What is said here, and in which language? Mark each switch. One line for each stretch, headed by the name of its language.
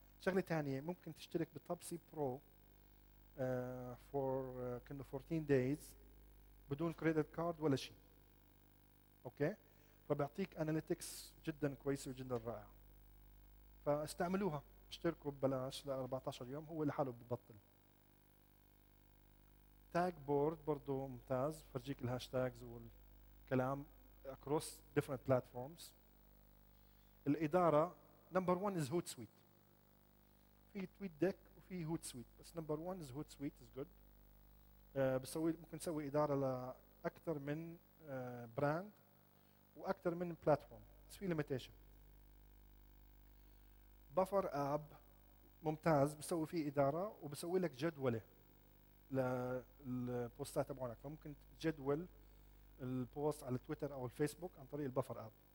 Arabic: شغله ثانيه ممكن تشترك بتابسي برو فور كنه 14 دايز بدون كريدت كارد ولا شيء، اوكي، فبيعطيك اناليتكس جدا كويس وجدا رائع، فاستعملوها اشتركوا ببلاش ل 14 يوم هو لحاله ببطل. تاج بورد برضو ممتاز، فرجيك الهاشتاجز والكلام
English: across different platforms.
Arabic: الإدارة
English: number one is Hootsuite.
Arabic: في تويت ديك وفي Hootsuite بس
English: number one is Hootsuite is good.
Arabic: بسوي ممكن نسوي إدارة لأكثر من براند وأكثر من platform. بس في limitation. Buffer app ممتاز بسوي فيه إدارة وبسوي لك جدولة للبوستات تبعونك، فممكن تجدول البوست على تويتر او الفيسبوك عن طريق البفر اب.